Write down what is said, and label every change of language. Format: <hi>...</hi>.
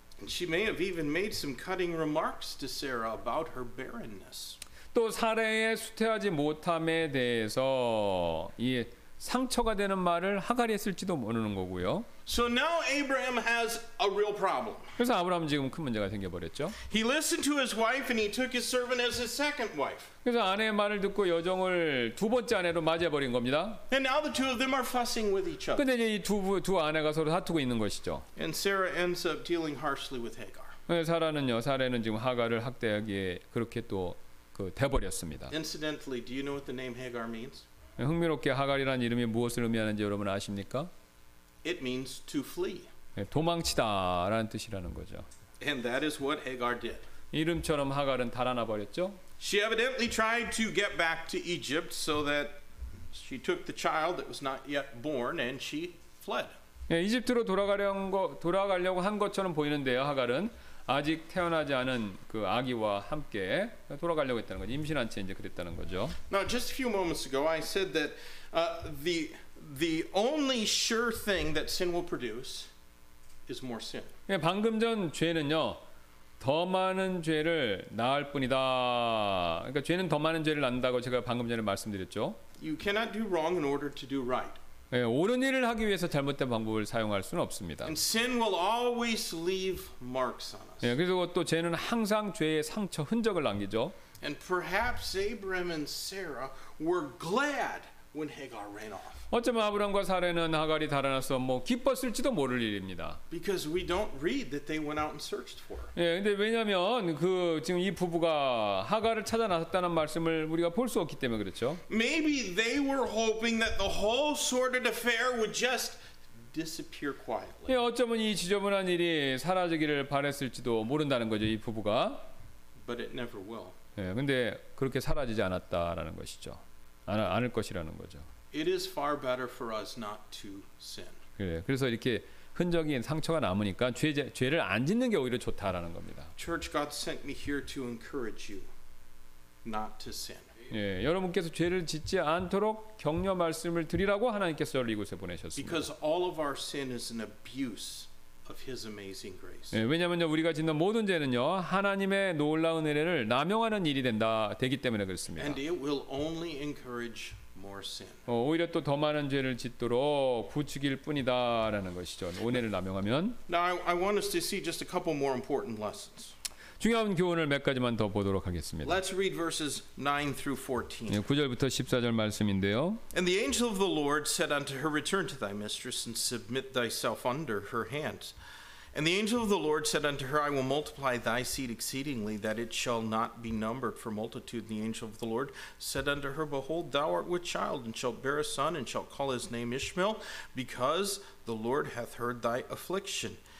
<en>And she may have even made some cutting remarks to Sarah about her barrenness.</en> <ko>또 사례의 수태하지 못함에 대해서 이 상처가 되는 말을 하갈이 했을지도 모르는 거고요.</ko> <en>So now Abraham has a real problem.</en> <ko>그래서 아브라함 지금 큰 문제가 생겨버렸죠.</ko> <en>He listened to his wife and he took his servant as his second wife.</en> <ko>그래서 아내의 말을 듣고 여정을 두 번째 아내로 맞이해버린 겁니다.</ko> <en>And now the two of them are fussing with each other.</en> <ko>근데 이제 이 두 아내가 서로 다투고 있는 것이죠.</ko> <en>And Sarah ends up dealing harshly with Hagar.</en> <ko>사라는요, 사례는 지금 하갈을 학대하기에 그렇게 또 돼버렸습니다.</ko> <en>Incidentally, do you know what the name Hagar means?</en> <ko>흥미롭게 하갈이라는 이름이 무엇을 의미하는지 여러분 아십니까?</ko> <en>It means to flee.</en> <ko>도망치다라는 뜻이라는 거죠.</ko> <en>And that is what Hagar did.</en> <ko>이름처럼 하갈은 달아나 버렸죠.</ko> <en>She evidently tried to get back to Egypt so that she took the child that was not yet born and she fled.</en> <ko>예, 이집트로 돌아가려고 한 것처럼 보이는데요, 하갈은. 아직 태어나지 않은 그 아기와 함께 돌아가려고 했다는 거죠. 임신한 채 이제 그랬다는 거죠.</ko> <en>Now, just a few moments ago, I said that the only sure thing that sin will produce is more sin.</en> <ko>예, 방금 전 죄는요, 더 많은 죄를 낳을 뿐이다. 그러니까 죄는 더 많은 죄를 낳는다고 제가 방금 전에 말씀드렸죠.</ko> <en>You cannot do wrong in order to do right.</en> <ko>예, 옳은 일을 하기 위해서 잘못된 방법을 사용할 수는 없습니다.</ko> <en>And sin will always leave marks on us.</en> <ko>예, 그리고 또 죄는 항상 죄의 상처, 흔적을 남기죠.</ko> <en>And perhaps Abraham and Sarah were glad when Hagar ran off.</en> <ko>어쩌면 아브람과 사라는 하갈이 달아나서 뭐 기뻤을지도 모를 일입니다.</ko> <en>Because we don't read that they went out and searched for her.</en> <ko>예, 근데 왜냐하면 그 지금 이 부부가 하갈을 찾아 나섰다는 말씀을 우리가 볼 수 없기 때문에 그렇죠.</ko> <en>Maybe they were hoping that the whole sordid affair would just disappear quietly.</en> <ko>예, 어쩌면 이 지저분한 일이 사라지기를 바랬을지도 모른다는 거죠, 이 부부가.</ko> <en>But it never will.</en> <ko>예, 근데 그렇게 사라지지 않았다라는 것이죠. 않을 것이라는 거죠.</ko> <en>It is far better for us not to sin.</en> <ko>그래, 그래서 이렇게 흔적이 상처가 남으니까 죄를 안 짓는 게 오히려 좋다라는 겁니다.</ko> <en>Church, God sent me here to encourage you not to sin.</en> <ko>예, 여러분께서 죄를 짓지 않도록 격려 말씀을 드리라고 하나님께서 저를 이곳에 보내셨습니다.</ko> <en>Because all of our sin is an abuse of His amazing grace.</en> <ko>예, 왜냐하면요 우리가 짓는 모든 죄는요 하나님의 놀라운 은혜를 남용하는 일이 되기 때문에 그렇습니다.</ko> <en>And it will only encourage.</en> <ko>오히려 또 더 많은 죄를 짓도록 부추길 뿐이다라는 것이죠. 은혜를 남용하면.</ko> <en>Now I want us to see just a couple more important lessons.</en> <ko>중요한 교훈을 몇 가지만 더 보도록 하겠습니다.</ko> <en>Let's read verses 9 through 14.</en> <ko>9절부터 14절 말씀인데요.</ko> <en>And the angel of the Lord said unto her, Return to thy mistress and submit thyself under her hands. And the angel of the Lord said unto her, I will multiply thy seed exceedingly, that it shall not be numbered for multitude. And the angel of the Lord said unto her, Behold, thou art with child, and shalt bear a son, and shalt call his name Ishmael, because the Lord hath heard thy affliction.</en>